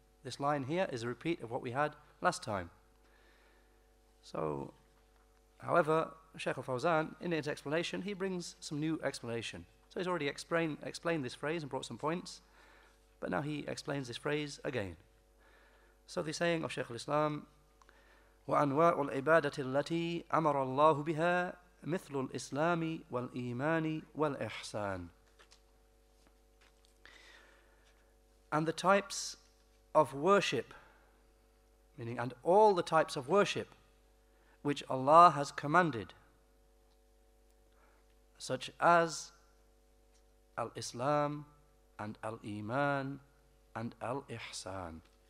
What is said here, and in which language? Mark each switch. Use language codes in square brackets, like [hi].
[en] This line here is a repeat of what we had last time. So, however, Shaykh al-Fawzan, in his explanation, he brings some new explanation. So he's already explained this phrase and brought some points, but now he explains this phrase again. So the saying of Shaykh al-Islam, [ar] وَأَنْوَاعُ الْعِبَادَةِ الَّتِي أَمَرَ اللَّهُ بِهَا مِثْلُ الْإِسْلَامِ وَالْإِيمَانِ وَالْإِحْسَانِ. [en] And the types of worship, meaning, and all the types of worship which Allah has commanded, such as Al-Islam and Al-Iman and Al-Ihsan.